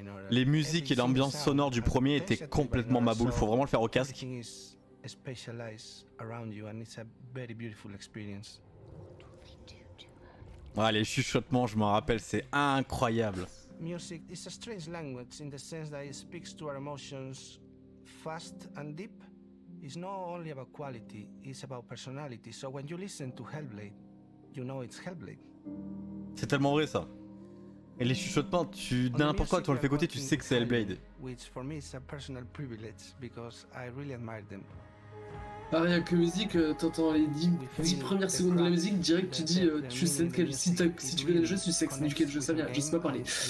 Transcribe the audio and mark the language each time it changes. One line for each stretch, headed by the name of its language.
French: Les musiques et l'ambiance sonore du premier étaient complètement ma boule, faut vraiment le faire au casque.
English: Specialize around you and it's a very beautiful experience.
French: Ah, les chuchotements, je m'en rappelle, c'est incroyable.
English: Music is a strange language in the sense that it speaks to our emotions fast and deep. It's not only about quality, it's about personality. So when you listen to Hellblade, you know it's Hellblade.
French: C'est tellement vrai ça. Et les chuchotements, tu n'importe quoi, tu le fais côté, tu sais que c'est Hellblade.
English: Which for me is a personal privilege because I really admire them.
French: Ah, rien que musique, t'entends les 10 premières secondes de la musique, direct tu dis, tu sais de quel jeu, si tu connais le jeu, tu sais que c'est du quel jeu, ça vient, je sais pas parler.